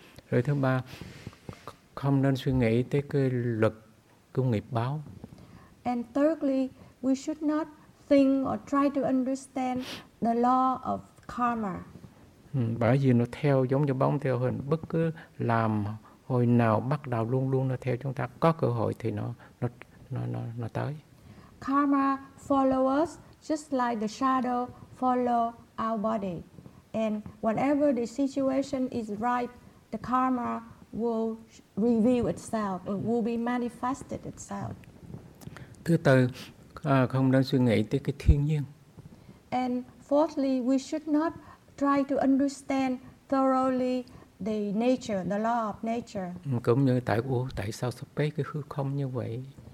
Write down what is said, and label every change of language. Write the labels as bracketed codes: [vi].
[vi] Rồi thứ ba, không nên suy nghĩ tới cái luật của nghiệp báo. [en] And thirdly, we should not think or try to understand the law of karma. [vi] Bởi vì nó theo giống như bóng theo hình, bất cứ làm hồi nào bắt đầu luôn luôn nó theo chúng ta, có cơ hội thì nó tới. [en] Karma follow us just like the shadow follow our body. And whatever the situation is ripe, the karma will reveal itself, will be manifested itself. [vi] Thứ tư, không nên suy nghĩ tới cái thiên nhiên. [en] And fourthly, we should not try to understand thoroughly the nature, the law of nature. [vi] Cũng như tại sao space cái hư không như vậy?